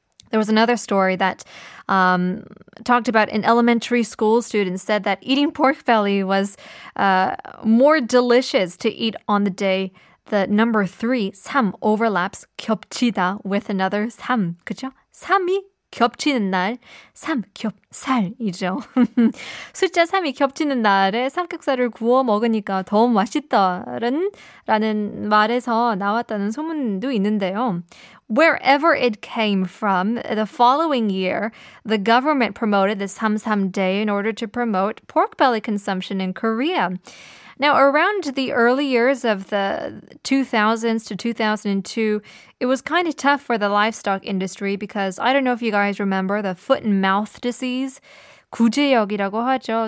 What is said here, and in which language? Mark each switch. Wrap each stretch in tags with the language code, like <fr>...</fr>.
<en>There was another story that talked about an elementary school student said that eating pork belly was more delicious to eat on the day the number three, 삼, overlaps 겹치다 with another 삼,</en> <ko>그쵸? 삼이 겹치는 날, 삼겹살이죠. 숫자 3이 겹치는 날에 삼겹살을 구워 먹으니까 더 맛있더라는 말에서 나왔다는 소문도 있는데요.</ko> <en>Wherever it came from, the following year, the government promoted the 삼삼데이 in order to promote pork belly consumption in Korea. Now, around the early years of the 2000s to 2002, it was kind of tough for the livestock industry because I don't know if you guys remember the foot and mouth disease,</en> <ko>구제역이라고 하죠.</ko>